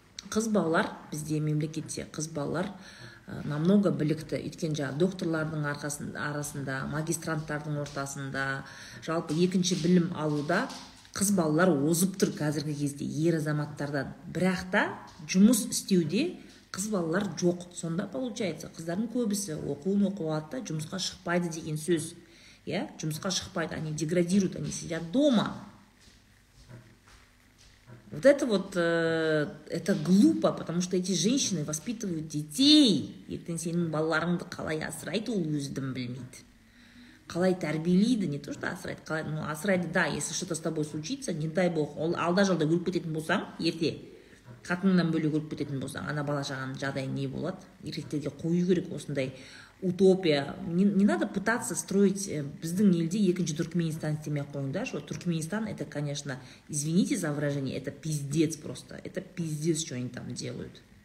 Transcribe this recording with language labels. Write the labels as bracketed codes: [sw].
[kk] Қыз балалар, бізде мемлекетте қыз балалар, [ru] намного [kk] білікті, өйткен жаңа докторлардың арасында, магистранттардың ортасында, жалпы екінші білім алуда қыз балалар озып тұр қазіргі кезде ер азаматтардан. Бірақ та жұмыс істеуде қыз балалар жоқ. Сонда [ru] получается, [kk] қыздардың көбісі оқуын оқып алады да жұмысқа шықпайды деген сөз. Иә, жұмысқа шықпайды, [ru] они деградируют, они сидят дома. Вот это вот, это глупо, потому что эти женщины воспитывают детей. [kk] Ертең сенің балаларыңды қалай асырайды, ол өзі білмейді. Қалай тәрбиелейді, [ru] не то что [kk] асырайды, қалай, ну асырайды, да, [ru] если что-то с тобой случится, не дай бог, [kk] ол алда-жалда өліп кететін болсаң, ерте, қатыныңнан бөлек өліп кететін болсаң, ана бала жағаның жағдайы не болады? Еркектерге қою керек осындай утопия. [ru] Не надо пытаться строить [kk] біздің елде екінші Түркменстан істемей қойыңдар. [ru] Шо, Түркменстан, это, конечно, извините за выражение, это пиздец просто. Это пиздец, что они там делают.